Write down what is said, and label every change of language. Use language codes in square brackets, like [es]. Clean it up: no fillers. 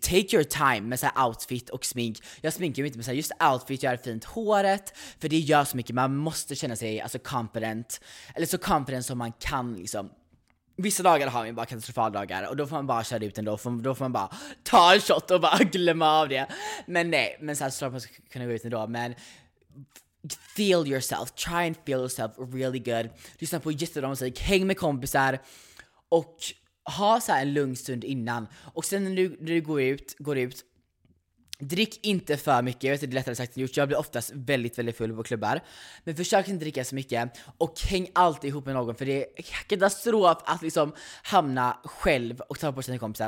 [en] Take your time [sv] med så här outfit och smink. Jag sminkar mig inte, men så här, just outfit, gör fint håret, för det gör så mycket. Man måste känna sig alltså confident, eller så confident som man kan liksom. Vissa dagar har man bara katastrofala dagar, och då får man bara köra ut ändå. Då får man bara ta en shot och bara glömma av det. Men nej, men så här, så att man ska kunna gå ut ändå. [en] Men feel yourself, try and feel yourself really good. [sv] Lyssna på jättebra musik, häng med kompisar och ha så här en lugn stund innan. Och sen när du går ut, drick inte för mycket. Jag vet att det är lättare sagt än gjort. Jag blir oftast väldigt, väldigt full på klubbar. Men försök inte dricka så mycket. Och häng alltid ihop med någon. För det är katastrof att liksom hamna själv och ta på sina kompisar.